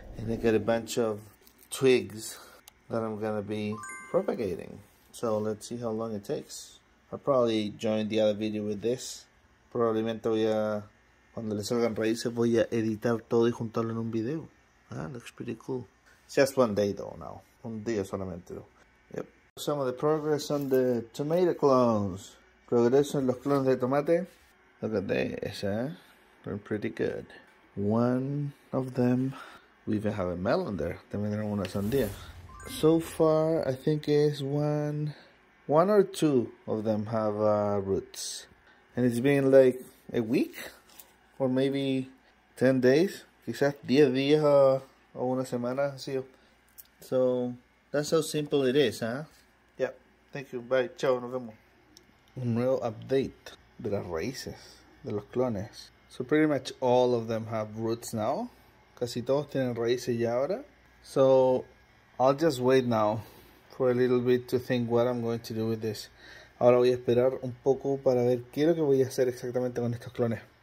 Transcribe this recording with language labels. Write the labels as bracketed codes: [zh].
[en] And I got a bunch of twigs that I'm gonna be propagating. So let's see how long it takes. I'll probably join the other video with this. [es] Probablemente voy a, cuando le salgan raíces, voy a editar todo y juntarlo en un video. [en] Ah, looks pretty cool. Just one day though now. [es] Un día solamente [en] though. Yep. Some of the progress on the tomato clones. [es] Progreso en los clones de tomate. [en] Look at this, eh? They're pretty good. One of them. We even have a melon there. [es] También era una sandía. [en] So far, I think it's one. One or two of them have roots. And it's been like a week? Or maybe 10 days? [es] Quizás 10 días o una semana ha sido. [en] So, that's how simple it is, huh? Yep. Thank you. Bye. [es] Chao. Nos vemos. Un real update de las raíces de los clones. [en] So pretty much all of them have roots now. [es] Casi todos tienen raíces ya ahora. [en] So I'll just wait now for a little bit to think what I'm going to do with this. [es] Ahora voy a esperar un poco para ver qué es lo que voy a hacer exactamente con estos clones.